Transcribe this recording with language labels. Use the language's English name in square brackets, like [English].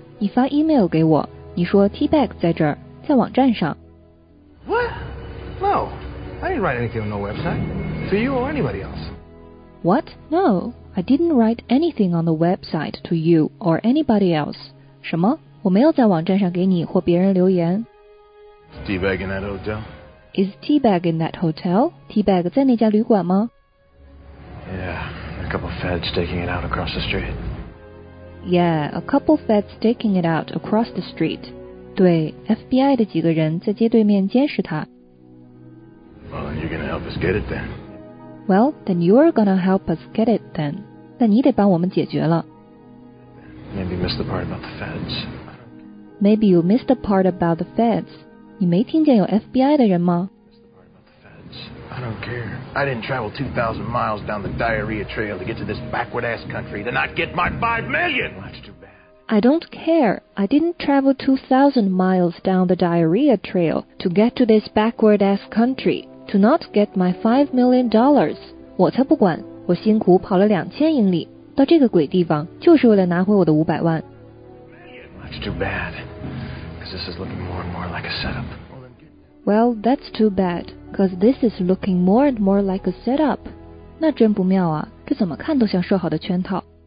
[Chinese] 你发 email 给我，你说 T-Bag 在这儿，在网站上。 [English] What? No, I didn't write anything on no website. To you or anybody else. What? No, I didn't write anything on the website to you or anybody else. [Chinese] 什么？我没有在网站上给你或别人留言。 [English] Is T-Bag in that hotel? Is T-Bag in that hotel? [Chinese] T-Bag 在那家旅馆吗 [English] ？Yeah, a couple feds taking it out across the street. Yeah, a couple feds taking it out across the street. [Chinese] 对 ，FBI 的几个人在街对面监视他。 [English] Well, you're gonna help us get it then. Well, then you're gonna help us get it then. [Chinese] 那你得帮我们解决了。 [English] Maybe you missed the part about the feds. Maybe you missed the part about the feds. [Chinese] 你没听见有 FBI 的人吗？ [English] I don't care. I didn't travel 2,000 miles down the diarrhea trail to get to this backward-ass country to not get my $5 million. That's too bad. I don't care. I didn't travel 2,000 miles down the diarrhea trail to get to this backward-ass country to not get my $5 million. [Chinese] 我才不管，我辛苦跑了2000英里到这个鬼地方，就是为了拿回我的500万。 [English] That's too bad, because this is looking more and more like a setup. Well, that's too bad. Because this is looking more and more like a setup. [Chinese] 那真不妙啊，这怎么看都像设好的圈套。